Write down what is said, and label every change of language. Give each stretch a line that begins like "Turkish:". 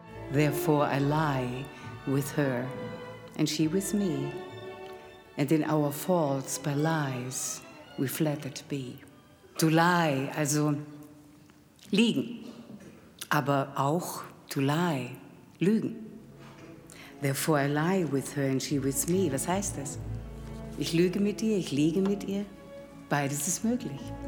English: Therefore I lie with her and she with me. And in our faults by lies we flattered be. To lie,
German: also liegen, aber auch
English: to lie,
German: lügen.
English: Therefore I lie with her and she with me.
German: Was heißt das? Ich lüge mit ihr, ich liege mit ihr. Beides ist möglich.